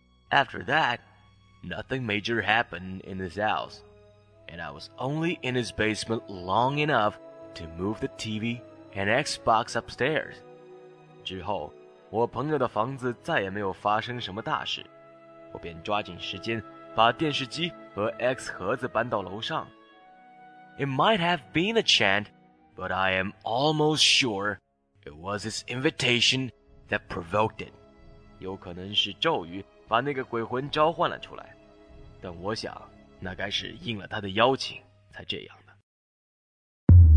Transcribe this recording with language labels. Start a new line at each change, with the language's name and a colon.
English: After that, nothing major happened in his house, and I was only in his basement long enough to move the TV and Xbox upstairs.
Chinese: 之后，我朋友的房子再也没有发生什么大事，我便抓紧时间把电视机和 X 盒子搬到楼上。
English: It might have been a chant, but I am almost sure it was his invitation that provoked it.
Chinese: 有可能是咒语把那个鬼魂召唤了出来，但我想那该是应了他的邀请才这样的。